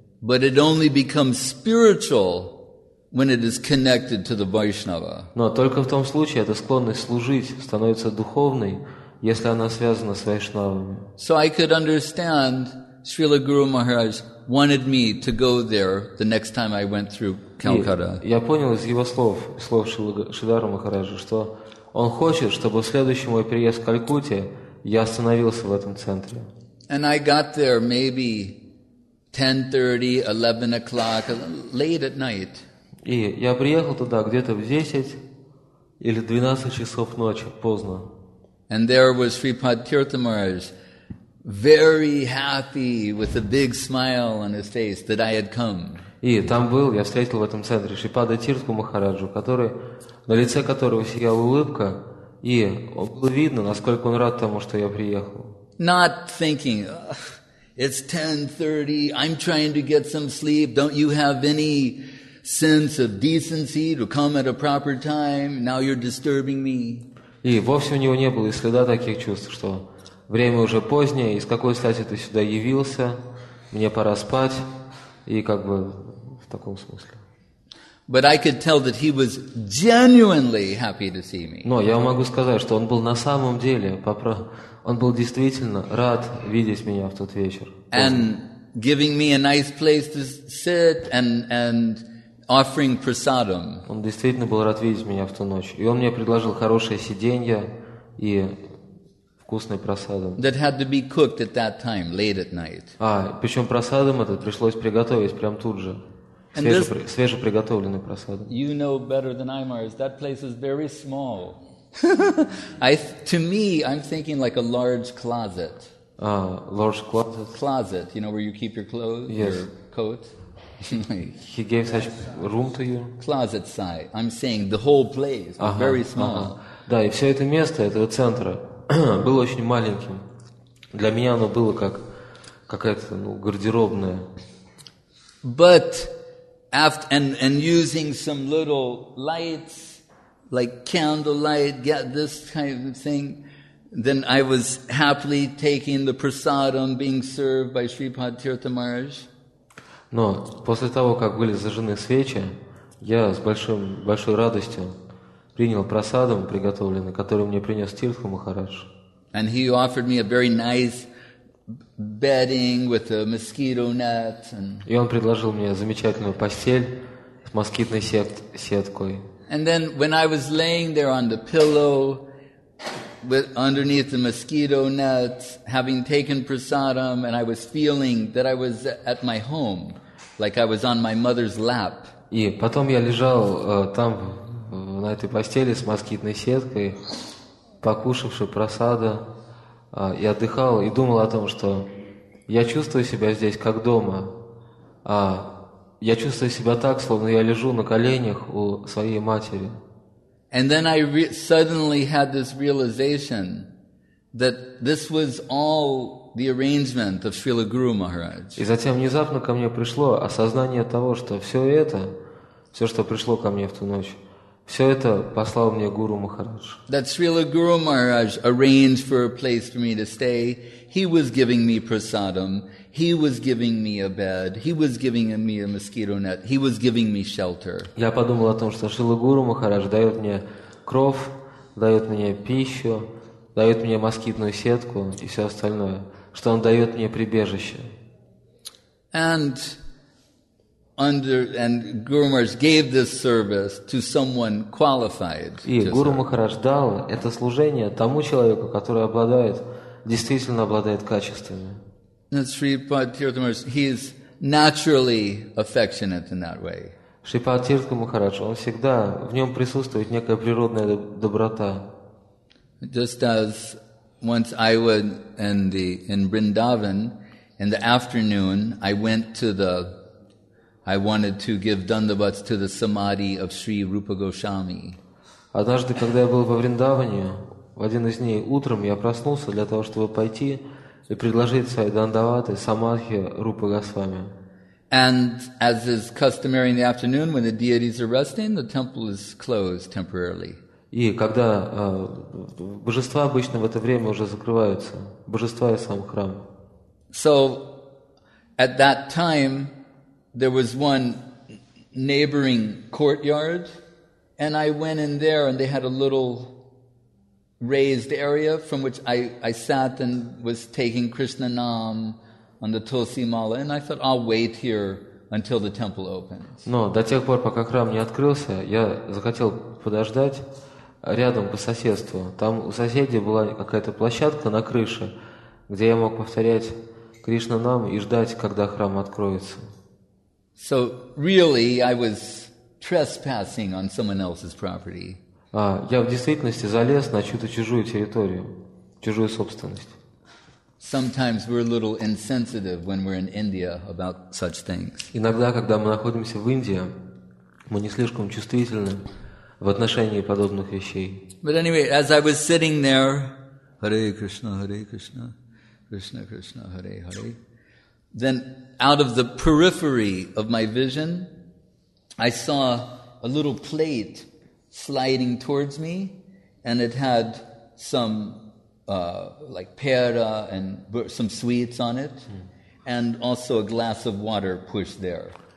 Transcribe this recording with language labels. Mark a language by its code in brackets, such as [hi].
[en] But it only becomes spiritual when it is connected to the Vaishnava. [ru] Но только в том случае эта склонность служить становится духовной, если она связана с вайшнавами. [en] So I could understand Srila Guru Maharaj wanted me to go there the next time I went through Calcutta. [ru] Я понял из его слов Шридхара Махараджа, что он хочет, чтобы в следующий мой приезд в Калькутте я остановился в этом центре. [en] And I got there maybe 10:30, 11 o'clock, late at night. [ru] И я приехал туда где-то в 10 или 12 часов ночи, поздно. [en] And there was Sripad Tirtha Maharaj, very happy with a big smile on his face that I had come. [ru] И там был, я встретил в этом центре Шрипада Тиртху Махараджу, который, на лице которого сияла улыбка, и было видно, насколько он рад тому, что я приехал. [en] Not thinking, it's 10:30, I'm trying to get some sleep, don't you have any sense of decency to come at a proper time, now you're disturbing me. [ru] И вовсе у него не было и следа таких чувств, что время уже позднее, и с какой стати ты сюда явился, мне пора спать, и как бы в таком смысле. [en] But I could tell that he was genuinely happy to see me. [ru] Но я могу сказать, что он был на самом деле, он был действительно рад видеть меня в тот вечер. [en] And giving me a nice place to sit and offering prasadam. [ru] Он действительно был рад видеть меня в ту ночь, и он мне предложил хорошее сиденье и вкусный прасадам. [en] That had to be cooked at that time, late at night. [ru] А причем прасадам этот пришлось приготовить прямо тут же. Свежеприготовленный прасадам. [en] You know better than I, Mars. That place is very small. to me, I'm thinking like a large closet. Large closet. Closet, you know, where you keep your clothes, yes. Your coat. He gave such room to you. Closet size. I'm saying the whole place, uh-huh, very small. Uh-huh. [ru] Да, и все это место этого центра было очень маленьким. Для меня оно было как какая-то гардеробная. [en] But after and using some little lights, like candlelight, get this kind of thing. Then I was happily taking the prasadam being served by Sripad Tirtha Maharaj. [ru] Но после того, как были зажжены свечи, я с большой радостью принял прасадам приготовленный, который мне принес Тиртха Махарадж. [en] And he offered me a very nice bedding with a mosquito net. [ru] И он предложил мне замечательную постель с москитной сеткой. [en] And then when I was laying there on the pillow with underneath the mosquito net, having taken prasadam, and I was feeling that I was at my home, like I was on my mother's lap. [ru] И потом я лежал там на этой постели с москитной сеткой, покушавши прасада, и отдыхал, и думал о том, что я чувствую себя здесь как дома. Я чувствую себя так, словно я лежу на коленях у своей матери. [en] And then I suddenly had this realization that this was all the arrangement of Srila Guru Maharaj. [ru] И затем внезапно ко мне пришло осознание того, что все это, все, что пришло ко мне в ту ночь, все это послал мне Гуру Махарадж. [en] That Srila Guru Maharaj arranged for a place for me to stay. He was giving me prasadam. He was giving me a bed. He was giving me a mosquito net. He was giving me shelter. [ru] Я подумал о том, что Шрила Гуру Махарадж дает мне кров, дает мне пищу, дает мне москитную сетку и все остальное, что он дает мне прибежище. [en] And Guru Maharaj gave this service to someone qualified. [ru] И Гуру Махарадж дал это служение тому человеку, который обладает, действительно обладает качествами. [en] Shripad Tirtha Maharaj, he is naturally affectionate in that way. [ru] Шрипад Тиртха Махарадж, он всегда, в нем присутствует некая природная доброта. [en] Just as once I was in Vrindavan, In the afternoon, I wanted to give dandavats to the samadhi of Sri Rupa Goswami. [ru] Однажды, когда я был во Вриндаване, в один из дней утром я проснулся для того, чтобы пойти и предложить свои дандаваты самадхи Рупа Госвами. [en] And as is customary in the afternoon, when the deities are resting, the temple is closed temporarily. [ru] И когда божества обычно в это время уже закрываются, божества и сам храм. [en] So, at that time, there was one neighboring courtyard, and I went in there, and they had a little raised area from which I sat and was taking Krishna Nam on the Tulsi Mala, and I thought, I'll wait here until the temple opens. [ru] Но до тех пор, пока храм не открылся, я захотел подождать рядом по соседству. Там у соседей была какая-то площадка на крыше, где я мог повторять Кришна нам и ждать, когда храм откроется. [en] So really, I was trespassing on someone else's property. [ru] А я в действительности залез на чью-то чужую территорию, чужую собственность. [en] Sometimes we're a little insensitive when we're in India about such things. [ru] Иногда, когда мы находимся в Индии, мы не слишком чувствительны в отношении подобных вещей. [en] But anyway, as I was sitting there, Hare Krishna, Hare Krishna. Krishna, Krishna, Hare, Hare. Then out of the periphery of my vision, I saw a little plate sliding towards me, and it had some like pera and some sweets on it, and also a glass of water pushed there.